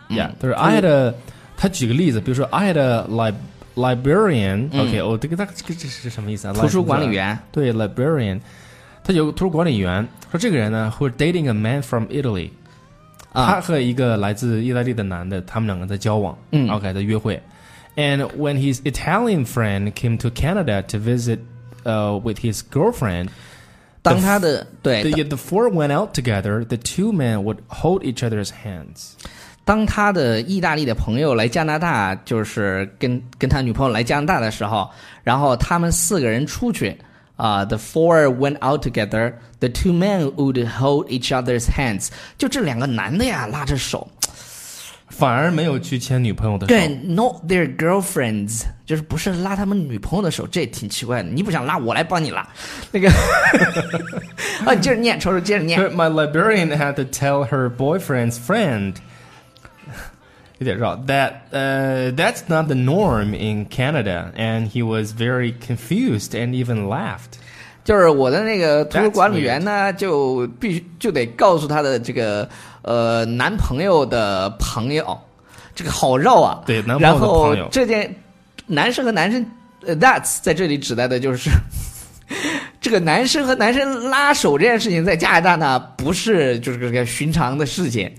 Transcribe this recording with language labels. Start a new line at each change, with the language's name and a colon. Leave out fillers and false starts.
English: yeah，
Chinese: 就是
English: I had a，
Chinese: 他举个例子，比如说
English: I had a librarian，
Chinese: OK， 我、哦、这个这是什么意思啊？图书管理员，对 librarian， 他有个图书管理员，说这个人呢 ，
English: who is dating a man from Italy。
Chinese: 他和一个来自意大利的男的，他们两个在交往，嗯，OK， 在约会。
English: And when his Italian friend came to Canada to visit, with his girlfriend，
Chinese: 当他的对
English: the four went out together， the two men would hold each other's hands。
Chinese: 当他的意大利的朋友来加拿大，就是跟他女朋友来加拿大的时候，然后他们四个人出去。
English: The four went out together. The two men would hold each other's hands.
Chinese: 就这两个男的呀，拉着手，反而没有去牵女朋友的手。对 ，
English: not their girlfriends，
Chinese: 就是不是拉他们女朋友的手，这也挺奇怪的。你不想拉，我来帮你拉。那个，啊，接着念，瞅瞅，接着念。
English: But my librarian had to tell her boyfriend's friend，
Chinese: 有点绕。
English: That that's not the norm in Canada, and he was very confused and even laughed。
Chinese: 就是我的那个图书管理员呢，就必须就得告诉他的这个男朋友的朋友，这个好绕啊。对，男朋友的朋友。然后这件男生和男生that's 在这里指代的就是这个男生和男生拉手这件事情，在加拿大呢不是就是个寻常的事情。